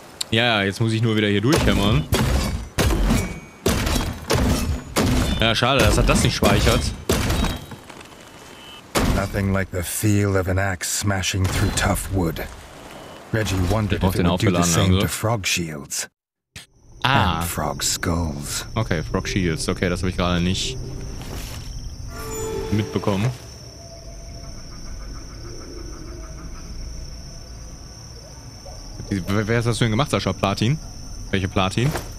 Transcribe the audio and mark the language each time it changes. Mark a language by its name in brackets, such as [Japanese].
[German] Ja, jetzt muss ich nur wieder hier durchhämmern. Ja, schade, dass er das nicht speichert. [English] Nothing like the feel of an axe smashing through tough wood. Reggie wondered if it would do the same to frog shields. Ah. And frog skulls. Okay, frog shields. [German] Okay, das habe ich gerade nicht mitbekommen. Wer hast du denn gemacht, Sascha? Platin? Welche Platin?